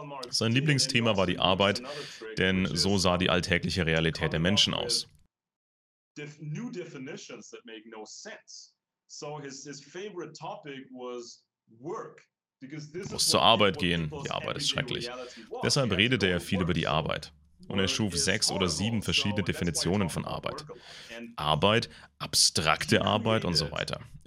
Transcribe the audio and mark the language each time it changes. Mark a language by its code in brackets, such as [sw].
[de] Sein Lieblingsthema war die Arbeit, denn so sah die alltägliche Realität der Menschen aus. [en] New definitions that make no sense. So his favorite topic was [de] Ich muss zur Arbeit gehen, die Arbeit ist schrecklich. Deshalb redete er viel über die Arbeit. Und er schuf 6 oder 7 verschiedene Definitionen von Arbeit. Arbeit, abstrakte Arbeit und so weiter.